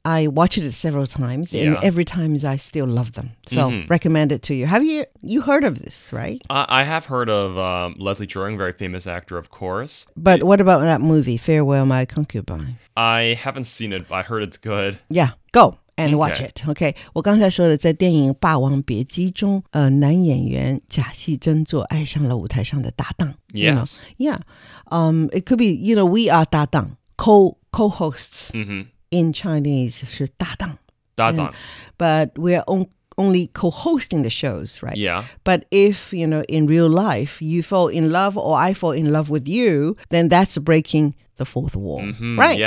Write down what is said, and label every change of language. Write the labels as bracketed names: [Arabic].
[English] I watched it several times, yeah. and every time I still love them. So, recommend it to you. Have you heard of this, right? I have heard of Leslie Cheung, very famous actor, of course. But what about that movie, Farewell, My Concubine? I haven't seen it, but I heard it's good. Yeah, go and watch it. [Chinese] Okay, 我刚才说的在电影《霸王别姬》中, 男演员假戏真做爱上了舞台上的搭档。 [English] Yes. You know? Yeah. It could be, you know, we are 搭档, co-hosts in Chinese [Chinese] 是搭档. 搭档. [English] But we are only co-hosting the shows, right? Yeah. But if, you know, in real life, you fall in love or I fall in love with you, then that's breaking the fourth wall, right?